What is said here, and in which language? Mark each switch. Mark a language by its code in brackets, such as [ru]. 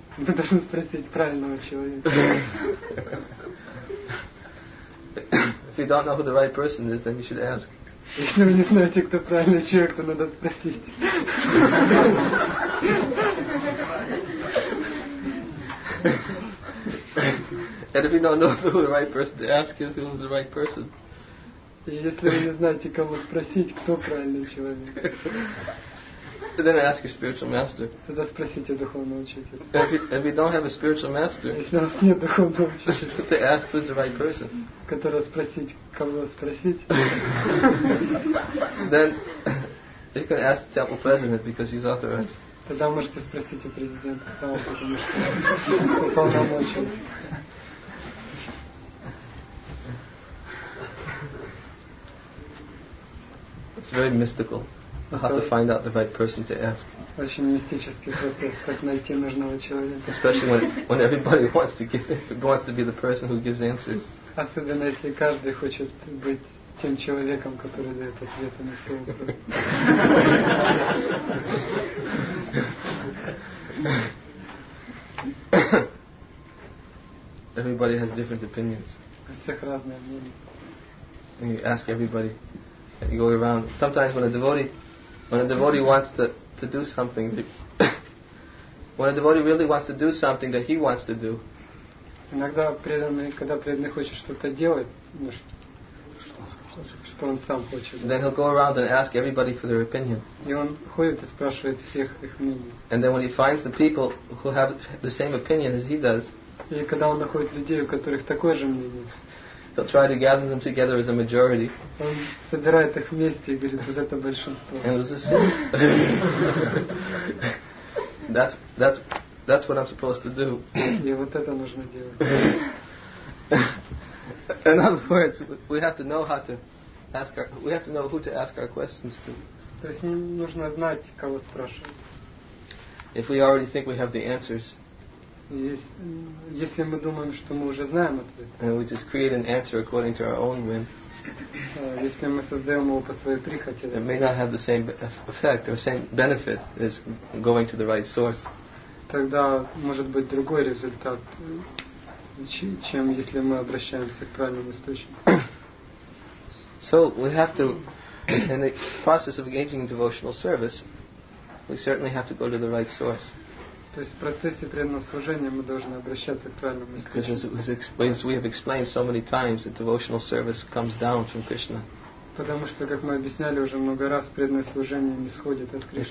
[ru] Мы должны спросить правильного человека. [en] If you don't know who the right person is, then you should ask. [ru] Если вы не знаете, кто правильный человек, то надо спросить. [en] And if you don't know who the right person to ask is, who is the right person? [ru] Если вы не знаете, кого спросить, кто правильный человек. [en] Then ask your spiritual master. [ru] Тогда спросите духовного учителя. [en] If we don't have a spiritual master, [ru] если у нас нет духовного учителя, [en] then ask who's the right person. [ru] Которого спросить, кого спросить? [en] Then you can ask the temple president because he's authorized. [ru] Тогда можете спросить у президента, потому что уполномочен. [en] It's very mystical. How to find out the right person to ask. [ru] Очень мистический процесс, как найти нужного человека. [en] Especially when everybody wants to be the person who gives answers. [ru] Особенно если каждый хочет быть тем человеком, который дает ответы на все вопросы. [en] Everybody has different opinions. [ru] У всех разные мнения. [en] And you ask everybody. And you go around. Sometimes when a devotee wants to do something, when a devotee really wants to do something that he wants to do. [ru] Иногда преданный, когда преданный хочет что-то делать, ну, что он сам хочет. [en] Then he'll go around and ask everybody for their opinion. [ru] И он ходит и спрашивает всех их мнение. [en] And then when he finds the people who have the same opinion as he does. [ru] И когда он находит людей, у которых такое же мнение. [en] He'll try to gather them together as a majority. [ru] Он собирает их вместе и говорит, вот это большинство. [en] And it was the same. That's what I'm supposed to do. [ru] И вот это нужно делать. [en] In other words, we have to know who to ask our questions to. [ru] То есть нужно знать, кого спрашивать. [en] If we already think we have the answers. [ru] Если мы думаем, что мы уже знаем ответ. [en] And we just create an answer according to our own whim. [ru] Если мы создаем его по своей прихоти. [en] It may not have the same effect or same benefit as going to the right source. [ru] Тогда может быть другой результат, чем если мы обращаемся к правильному источнику. [en] So we have to, in the process of engaging in devotional service, we certainly have to go to the right source. [ru] То есть в процессе преданного служения мы должны обращаться к правильному источнику. [en] Because as we have explained so many times, that devotional service comes down from Krishna. [ru] Потому что, как мы объясняли уже много раз, преданное служение не сходит от Кришны.